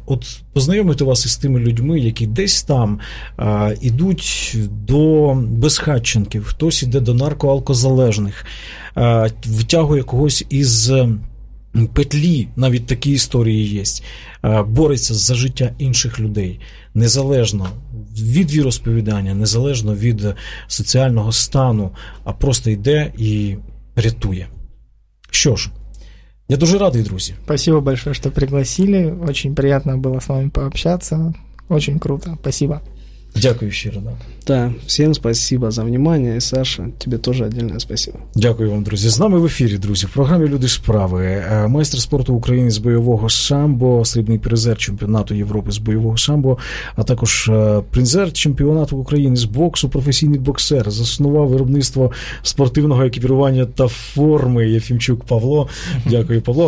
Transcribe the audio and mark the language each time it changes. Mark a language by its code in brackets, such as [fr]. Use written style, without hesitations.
[uk] От познайомити вас із тими людьми, які десь там ідуть до безхатченків, хтось іде до наркоалкозалежних, втягує когось із петлі, навіть такі історії є, бореться за життя інших людей, незалежно від віросповідання, незалежно від соціального стану, а просто йде і рятує. Що ж, я дуже радий, друзі. [ru] Спасибо большое, что пригласили. Очень приятно было с вами пообщаться. Очень круто. Спасибо. [uk] Дякую ще раз. [ru] Да, всем спасибо за внимание. И, Саша, тебе тоже отдельное спасибо. [uk] Дякую вам, друзі. З нами в ефірі, друзі, в програмі «Люди справи». Майстер спорту України з бойового самбо, срібний призер чемпіонату Європи з бойового самбо, а також призер чемпіонату України з боксу, професійний боксер, заснував виробництво спортивного екіпірування та форми Єфімчук Павло. Дякую, Павло.